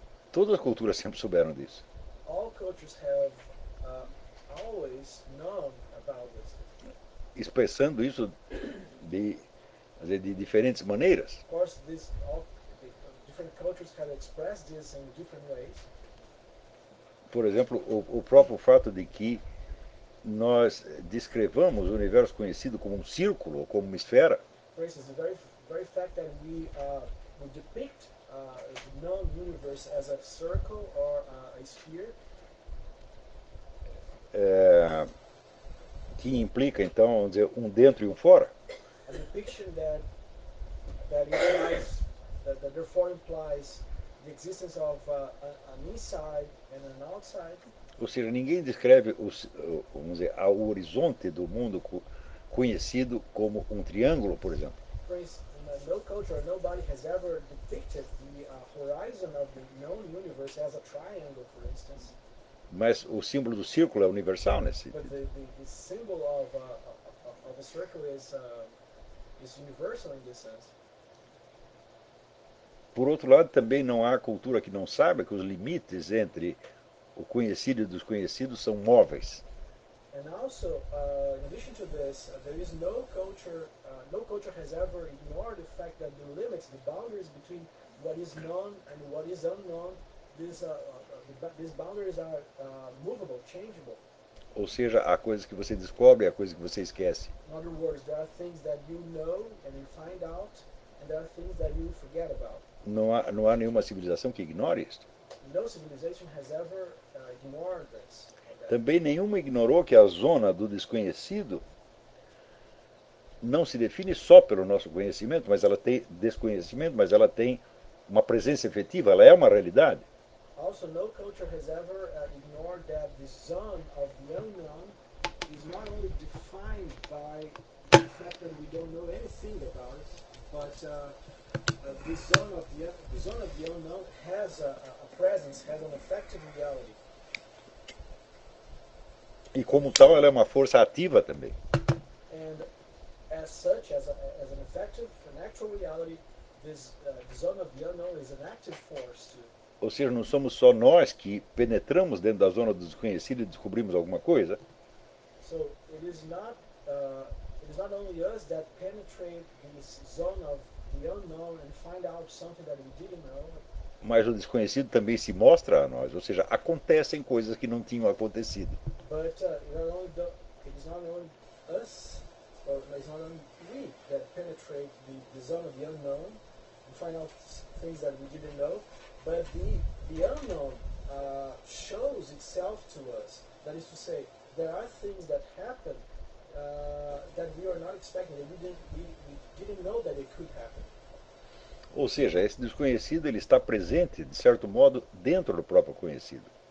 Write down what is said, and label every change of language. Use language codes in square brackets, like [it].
[pt] Todas as culturas sempre souberam disso. [en] All cultures have always known about this. [pt] Expressando isso de diferentes maneiras. [en] Of course, different cultures can express this in different ways. [pt] Por exemplo, o próprio fato de que nós descrevamos o universo conhecido como um círculo ou como uma esfera. [en] For instance, the very fact that we depict the known universe as a circle or a sphere. [pt] Que implica então, vamos dizer, um dentro e um fora. [en] A depiction that implies that therefore implies the existence of an inside and an outside. [pt] Ou seja, ninguém descreve o horizonte do mundo conhecido como um triângulo, por exemplo. [en] No culture, nobody has ever depicted the horizon of the known universe as a triangle, for instance. [pt] Mas o símbolo do círculo é universal nesse. [en] But the symbol of a circle is universal in this sense. [pt] Por outro lado, também não há cultura que não saiba que os limites entre o conhecido e o desconhecido são móveis. [en] And also, in addition to this, there is no culture, no culture has ever ignored the fact that the limits, the boundaries between what is known and what is unknown, these boundaries are movable, changeable. [pt] Ou seja, há coisas que você descobre e há coisas que você esquece. [en] In other words, there are things that you know and you find out, and there are things that you forget about. [pt] Não há nenhuma civilização que ignore isto. [en] No civilization has ever ignored this. [pt] Também nenhuma ignorou que a zona do desconhecido não se define só pelo nosso conhecimento, mas ela tem desconhecimento, mas ela tem uma presença efetiva, ela é uma realidade. [en] Also, no culture has ever ignored that the zone of the unknown is not only defined by the fact that we don't know anything about it, but the zone of the unknown has a presence, has an effective reality. [pt] E como tal, ela é uma força ativa também. [en] And as such, as an effective, an actual reality, this zone of the unknown is an active force too. [pt] Ou seja, não somos só nós que penetramos dentro da zona do desconhecido e descobrimos alguma coisa. [en] So it is not only us that penetrate this zone of the unknown and find out something that we didn't know. [pt] Mas o desconhecido também se mostra a nós, ou seja, acontecem coisas que não tinham acontecido. [en] But it's not only we that penetrate the zone of the unknown and find out things that we didn't know, but the unknown shows itself to us. That is to say, there are things that happen that we are not expecting, that we didn't know that it could happen. [pt] Ou seja, esse desconhecido ele está presente, de certo modo, dentro do próprio conhecido.